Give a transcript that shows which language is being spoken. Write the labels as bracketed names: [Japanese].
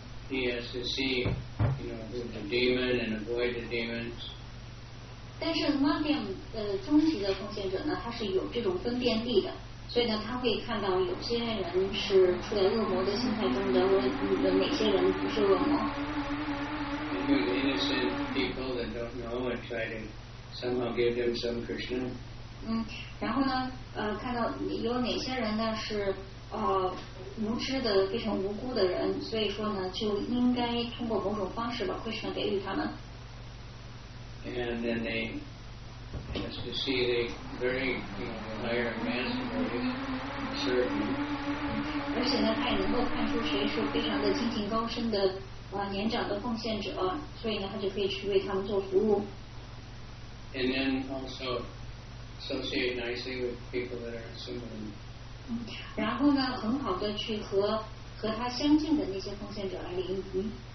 [English] he has to see, you know, the demon and avoid the demons. [Chinese] 但是观点终极的奉献者呢，他是有这种分辨力的，所以呢，他会看到有些人是处在恶魔的心态中的，哪些人不是恶魔。 [English] Innocent people that don't know and try to somehow give them some Krishna. [Chinese] 嗯，然后呢，看到有哪些人呢是无知的非常无辜的人，所以说呢，就应该通过某种方式把 Krishna 给予他们。 [English] And then they just to see the very, you know, the higher man's motives, certain. [Chinese] 而且呢，他也能够看出谁是非常的精进高深的。年长的奉献者，所以呢，他就可以去为他们做服务。 [English] And then also associate nicely with people that are similar. [Chinese] 然后呢，很好的去和他相近的那些奉献者来联谊。